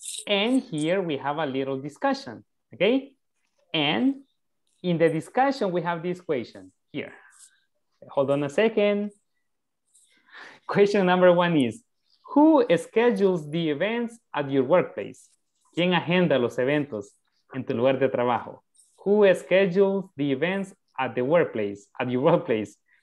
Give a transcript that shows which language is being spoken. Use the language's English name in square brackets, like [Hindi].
[English] And here we have a little discussion, okay? And in the discussion, we have this question here. Hold on a second. Question number 1 is, who schedules the events at your workplace? [Spanish] ¿Quién agenda los eventos en tu lugar de trabajo? [English] Who schedules the events at the workplace, at your workplace?